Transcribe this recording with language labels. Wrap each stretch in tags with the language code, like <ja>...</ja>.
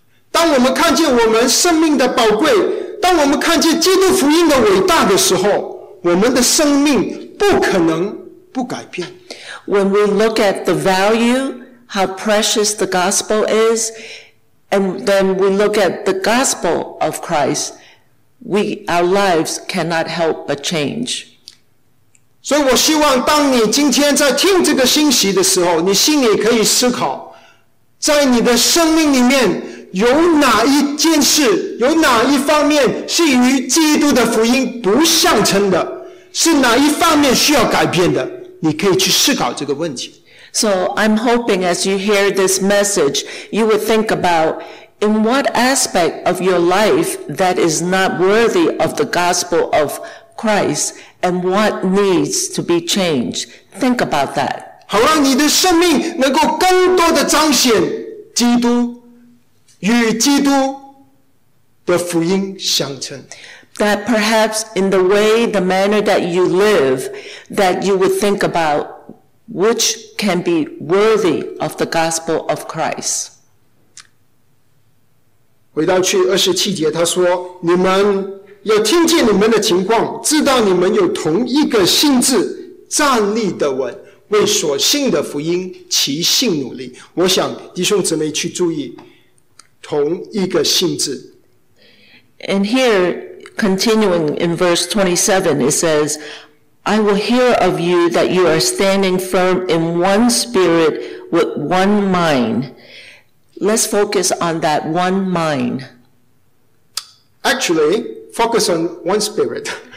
<zh>当我们看见我们生命的宝贵，当我们看见基督福音的伟大的时候，我们的生命不可能不改变。</zh> <en>When we look at the value, how precious the gospel is, and then we look at the gospel of Christ, our lives cannot help but change.</en> <zh>所以我希望当你今天在听这个信息的时候，你心里可以思考，在你的生命里面，有哪一件事，有哪一方面是与基督的福音不相称的？是哪一方面需要改变的？你可以去思考这个问题。</zh> <en>So I'm hoping as you hear this message, you would think about in what aspect of your life that is not worthy of the gospel of Christ and what needs to be changed. Think about that.</en> <zh>好让你的生命能够更多的彰显基督与基督的福音相称。</zh> <en>That perhaps in the way, the manner that you live, that you would think about which can be worthy of the gospel of Christ.</en> <zh>回到去二十七节，他说：“你们要听见你们的情况，知道你们有同一个心志，站立的稳，为所信的福音齐心努力。” 我想弟兄姊妹去注意同一个心志。</zh> <en>And here. Continuing in verse 27, it says, I will hear of you that you are standing firm in one spirit with one mind. Let's focus on that one mind. Actually, focus on one spirit.</en>